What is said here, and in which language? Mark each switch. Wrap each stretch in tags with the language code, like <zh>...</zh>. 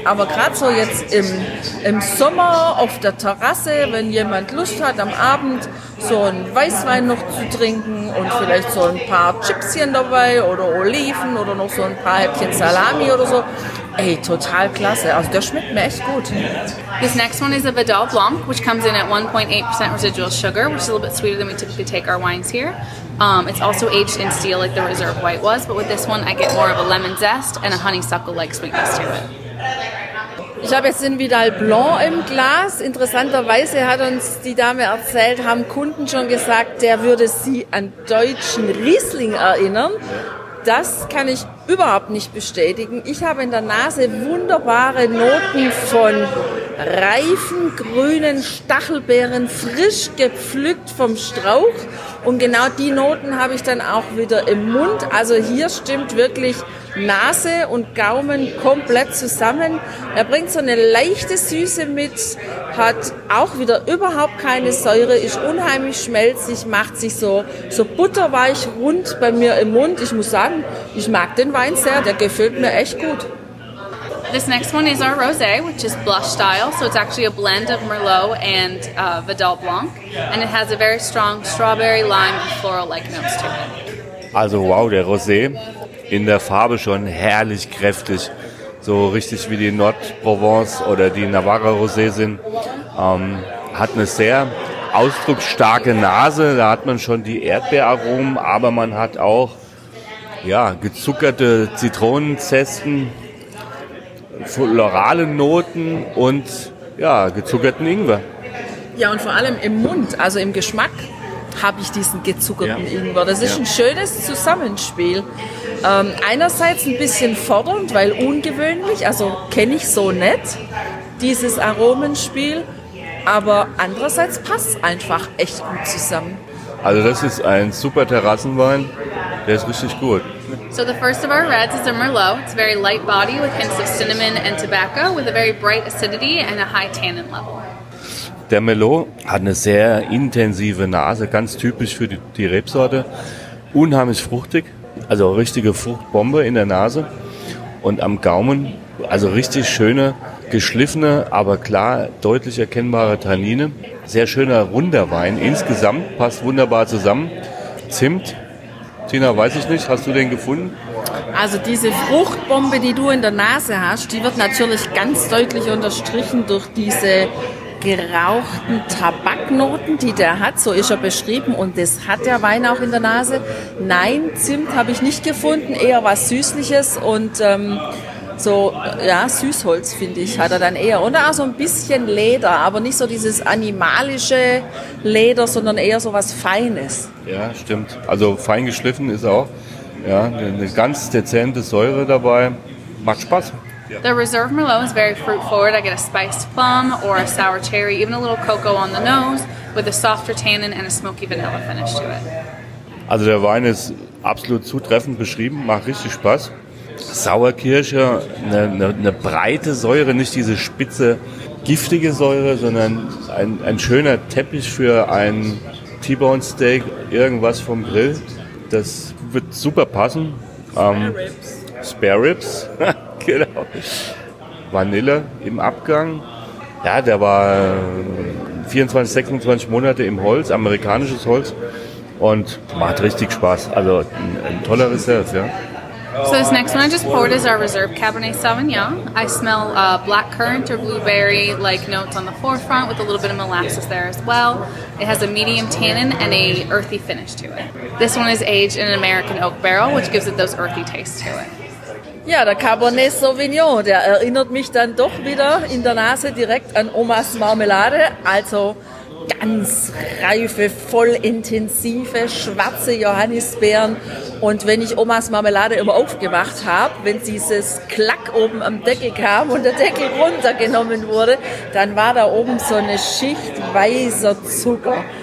<de>Aber gerade so jetzt im Sommer auf der Terrasse, wenn jemand Lust hat, am Abend so einen Weißwein noch zu trinken und vielleicht so ein paar Chipschen dabei oder Oliven oder noch so ein paar Häppchen Salami oder so. Ey, total klasse. Also der schmeckt mir echt gut.</de> <en>This next one is a Vidal Blanc, which comes in at 1.8% residual sugar, which is a little bit sweeter than we typically take our wines here. It's also aged in steel like the Reserve White was, but with this one I get more of a lemon zest and a honeysuckle-like sweetness to it.</en> <de>Ich habe jetzt den Vidal Blanc im Glas. Interessanterweise hat uns die Dame erzählt, haben Kunden schon gesagt, der würde sie an deutschen Riesling erinnern. Das kann ich überhaupt nicht bestätigen. Ich habe in der Nase wunderbare Noten von reifen, grünen Stachelbeeren, frisch gepflückt vom Strauch. Und genau die Noten habe ich dann auch wieder im Mund. Also hier stimmt wirklich Nase und Gaumen komplett zusammen. Er bringt so eine leichte Süße mit, hat auch wieder überhaupt keine Säure, ist unheimlich schmelzig, macht sich so butterweich rund bei mir im Mund. Ich muss sagen, ich mag den Wein sehr, der gefällt mir echt gut.</de> <en>This next one is our Rosé, which is Blush Style, so it's actually a blend of Merlot and Vidal Blanc, and it has a very strong strawberry, lime and floral-like notes to it.</en> <de>Also wow, der Rosé in der Farbe schon herrlich kräftig, so richtig wie die Nordprovence oder die Navarra Rosé sind, hat eine sehr ausdrucksstarke Nase, da hat man schon die Erdbeeraromen, aber man hat auch ja, gezuckerte Zitronenzesten, florale Noten und ja, gezuckerten Ingwer. Ja, und vor allem im Mund, also im Geschmack, habe ich diesen gezuckerten Ingwer. Das ist ein schönes Zusammenspiel. Einerseits ein bisschen fordernd, weil ungewöhnlich, also kenne ich so nicht, dieses Aromenspiel. Aber andererseits passt es einfach echt gut zusammen. Also das ist ein super Terrassenwein. Der ist richtig gut.</de> <en>So the first of our reds is a Merlot. It's a very light body with hints of cinnamon and tobacco with a very bright acidity and a high tannin level.</en> <de>Der Merlot hat eine sehr intensive Nase, ganz typisch für die Rebsorte. Unheimlich fruchtig, also richtige Fruchtbombe in der Nase. Und am Gaumen, also richtig schöne, geschliffene, aber klar deutlich erkennbare Tannine. Sehr schöner, runder Wein insgesamt, passt wunderbar zusammen. Zimt. Tina, weiß ich nicht, hast du den gefunden? Also diese Fruchtbombe, die du in der Nase hast, die wird natürlich ganz deutlich unterstrichen durch diese gerauchten Tabaknoten, die der hat. So ist er beschrieben und das hat der Wein auch in der Nase. Nein, Zimt habe ich nicht gefunden, eher was Süßliches und so, ja, Süßholz, finde ich, hat er dann eher. Und auch so ein bisschen Leder, aber nicht so dieses animalische Leder, sondern eher so was Feines. Ja, stimmt. Also fein geschliffen ist auch. Ja, eine ganz dezente Säure dabei. Macht Spaß.</de> <en>The Reserve Merlot is very fruit forward. I get a spiced plum or a sour cherry, even a little cocoa on the nose with a softer tannin and a smoky vanilla finish to it.</en> <de>Also der Wein ist absolut zutreffend beschrieben. Macht richtig Spaß. Sauerkirsche eine breite Säure, nicht diese spitze giftige Säure, sondern ein schöner Teppich für ein T-Bone Steak, irgendwas vom Grill. Das wird super passen. Spare Ribs. Genau. Vanille im Abgang. Ja, der war 24, 26 Monate im Holz, amerikanisches Holz. Und macht richtig Spaß. Also ein toller Reserve, ja.</de> <en>So this next one I just poured is our Reserve Cabernet Sauvignon. I smell black currant or blueberry like notes on the forefront with a little bit of molasses there as well. It has a medium tannin and a earthy finish to it. This one is aged in an American oak barrel, which gives it those earthy tastes to it.</en> <de>Ja, der Cabernet Sauvignon, der erinnert mich dann doch wieder in der Nase direkt an Omas Marmelade. Also ganz reife, voll intensive, schwarze Johannisbeeren. Und wenn ich Omas Marmelade immer aufgemacht habe, wenn dieses Klack oben am Deckel kam und der Deckel runtergenommen wurde, dann war da oben so eine Schicht weißer Zucker.</de>